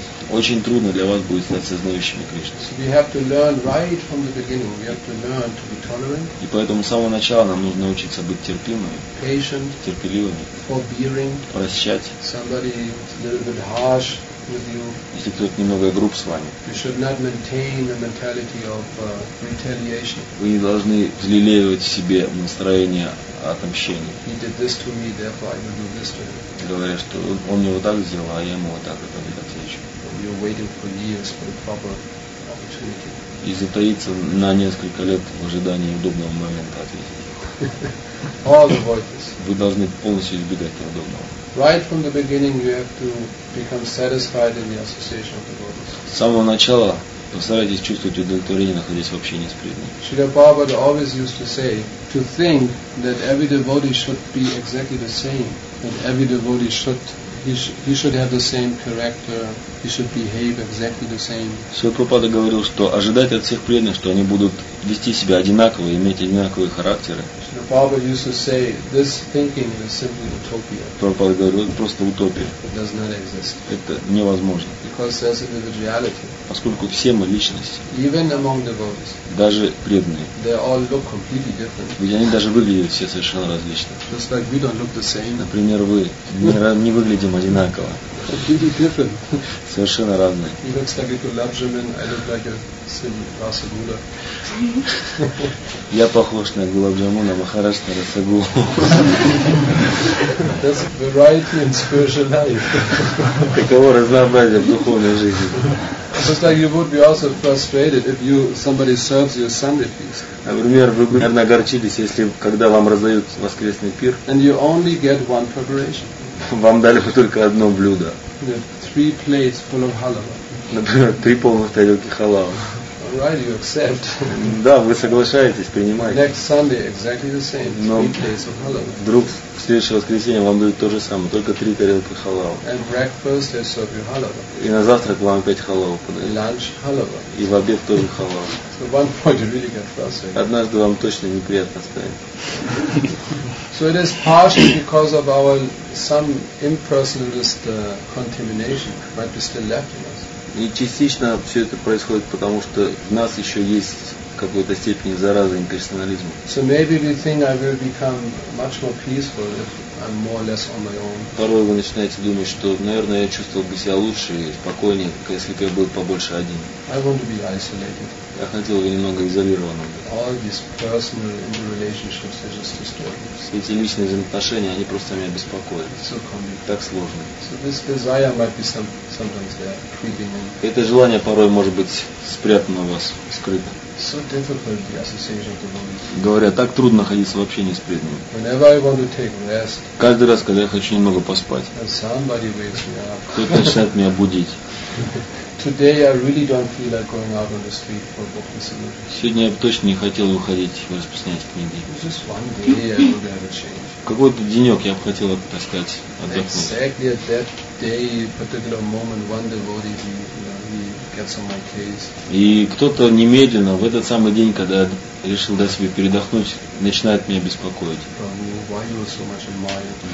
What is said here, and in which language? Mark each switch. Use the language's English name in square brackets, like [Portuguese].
[Russian] очень трудно для вас будет стать сознающими Кришны. И поэтому самое сначала нам нужно научиться быть терпимыми, [English] patient, [Russian] терпеливыми, [English] forbearing, [Russian] прощать. [English] Somebody a little bit harsh with you. [Russian] Если кто-то немного груб с вами, [English] you should not maintain the mentality of retaliation. [Russian] Вы не должны взлелеивать в себе настроение отомщения. [English] He did this to me, therefore I will do this to him. [Russian] Говоря, что он мне вот так сделал, а я ему вот так это не отвечу. [English] You're waiting for years for the proper opportunity. [Russian] И затаиться на несколько лет в ожидании удобного момента ответить. [English] All the voices. [Russian] Вы должны полностью избегать неудобного. [English] Right from the beginning you have to become satisfied in the association of the devotees. [Russian] С самого начала постарайтесь чувствовать удовлетворение, находясь в общении с преданными. [English] Srila Prabhupada always used to say, to think that every devotee should be exactly the same, that every devotee should he should have the same character, he should behave exactly the same. [Russian] Srila Prabhupada говорил, что ожидать от всех преданных, что они будут вести себя одинаково, иметь одинаковые характеры. [English] Srila Prabhupada used to say, this thinking is simply utopia. [Russian] Prabhupada говорил, это просто утопия. [English] It does not exist. [Russian] Это невозможно. [English] Because there's individuality. [Russian] Поскольку все мы личности. [English] Even among devotees. [Russian] Даже преданные. [English] They all look completely different. [Russian] Ведь они даже выглядят все совершенно различно. [English] Just like we don't look the same. [Russian] Например, вы не выглядите одинаково. [English] Completely different. [Russian] Совершенно разные. [English] He looks like a gulabjamin, I look like a silly rasagula. [Russian] Я похож на гулабджамуна, махарадж на расагу. [English] That's variety in spiritual life. [Russian] Таково разнообразие в духовной жизни. [English] Just like you would be also frustrated if you somebody serves you a Sunday feast. [Russian] Например, вы бы, наверное, огорчились, если когда вам раздают воскресный пир. [English] And you only get one preparation. [Russian] Вам дали бы только одно блюдо. [English] Three plates full of halava. [Russian] Например, три полных тарелки халавы. [English] All right, you accept. [Russian] Да, вы соглашаетесь, принимаете. [English] Next Sunday exactly the same. Three [Russian] Но [English] plates of halava. [Russian] Вдруг в следующее воскресенье вам дают то же самое, только три тарелки халавы. [English] And breakfast they serve you halava. [Russian] И на завтрак вам опять халаву подают. [English] Lunch halava. [Russian] И в обед тоже халава. [English] So one point you really get frustrated. [Russian] Однажды вам точно неприятно станет. [English] So it is partially because of our some impersonalist contamination might be still left in us. [Russian] И частично все это происходит потому, что в нас еще есть какой-то степень заразы имперсонализма. [English] So maybe we think I will become much more peaceful if I'm more or less on my own. [Russian] Порой вы начинаете думать, что, наверное, я чувствовал бы себя лучше и спокойнее, если бы я был побольше один. [English] I want to be isolated. [Russian] Я хотел бы немного изолированным. [English] All these personal interrelationships are just disturbing. [Russian] Эти личные взаимоотношения, они просто меня беспокоят. [English] So complicated. [Russian] Так сложно. [English] So this desire might be sometimes there creeping in. [Russian] Это желание порой может быть спрятано у вас, скрыто. [English] So difficult the association of the devotees. [Russian] Говоря, так трудно находиться в общении с преданными. [English] Whenever I want to take rest. [Russian] Каждый раз, когда я хочу немного поспать. [English] And somebody wakes me up. [Russian] Кто-то начинает меня будить. [English] Today I really don't feel like going out on the street for book distribution. [Russian] Сегодня я бы точно не хотел выходить распространять книги. [English] Just one day I would have a change. [Russian] Какой-то денек я бы хотел, так сказать, отдохнуть. [English] Exactly at that day, particular moment, one devotee, he gets on my case. [Russian] И кто-то немедленно в этот самый день, когда я решил дать себе передохнуть, начинает меня беспокоить. [English] Why you so much admired?